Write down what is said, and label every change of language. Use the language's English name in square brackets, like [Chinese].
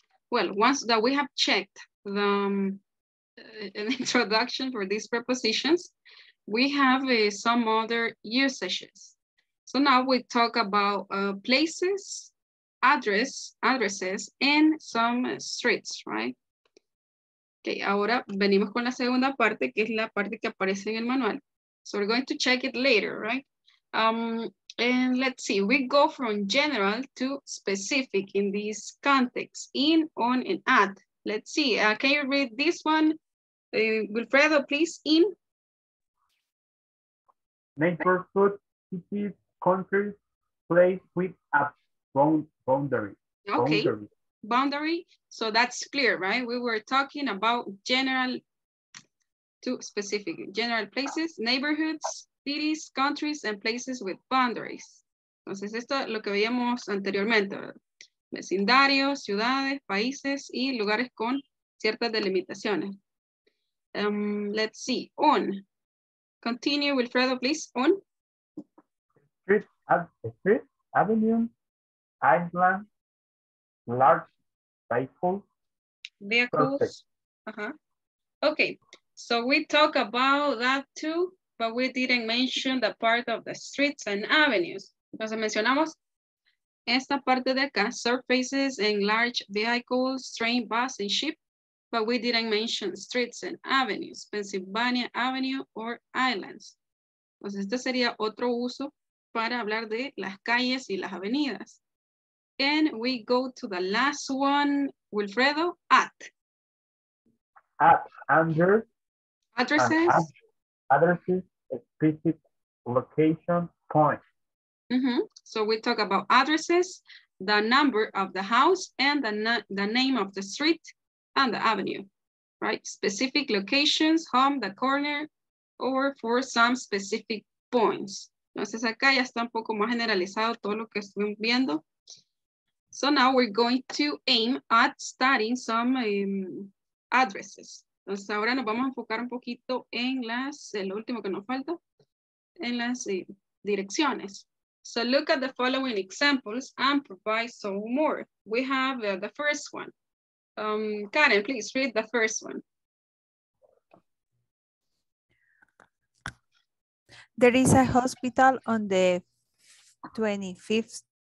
[English] Well, once that we have checked the an introduction for these prepositions, we have some other usages. So now we talk about places, addresses, and some streets, right? [Spanish] Okay, ahora venimos con la segunda parte, que es la parte que aparece en el manual. [English] So we're going to check it later, right? And let's see, we go from general to specific in this context, in, on, and at. Let's see, can you read this one, Wilfredo, please, in? Neighborhood, cities, country, place with a boundary. Okay, boundary, so that's clear, right? We were talking about general to specific, general places, neighborhoods, cities, countries, and places with boundaries. [Spanish] Entonces, esto es lo que veíamos anteriormente, ¿verdad? Vecindarios, ciudades, países, y lugares con ciertas delimitaciones. [English] Let's see, on. Continue, Wilfredo, please, on. Street, avenue, island, large, vehicle. Vehicles. Uh-huh. Okay, so we talk about that too, but we didn't mention the part of the streets and avenues. [Spanish] Entonces mencionamos esta parte de acá, [English] surfaces and large vehicles, train, bus, and ship, but we didn't mention streets and avenues, Pennsylvania Avenue or islands. [Spanish] Entonces este sería otro uso para hablar de las calles y las avenidas. [English] And we go to the last one, Wilfredo, at. At, under. Addresses. Addresses, specific location, point. Mm-hmm. So we talk about addresses, the number of the house, and the name of the street and the avenue. right? Specific locations, home, the corner, or for some specific points. [Spanish] Entonces acá ya está un poco más generalizado todo lo que estuvimos viendo. [English] So now we're going to aim at studying some addresses. [Spanish] Entonces ahora nos vamos a enfocar un poquito en las, el último que nos falta, en las direcciones. [English] So look at the following examples and provide some more. We have the first one. Karen, please read the first one. There is a hospital on the 25th